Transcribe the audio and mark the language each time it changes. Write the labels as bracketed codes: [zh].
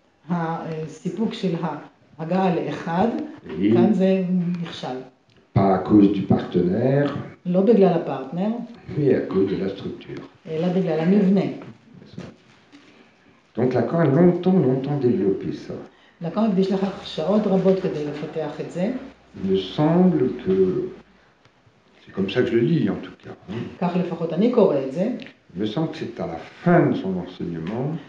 [he] הסיפוק של ההגעה לאחד, כאן זה נכשל. [fr] Pas à cause du partenaire. [he] לא בגלל הפרטנר. [fr] Mais à cause de la structure. [he] אלא בגלל המבנה. [fr] Donc Lacan a longtemps développé ça. [he] Lacan הקדיש לכך שעות רבות כדי לפתח את זה. [fr] Il me semble que c'est comme ça que je le lis en tout cas. [he] כך לפחות אני קורא את זה. [fr] Il me semble que c'est à la fin de son enseignement,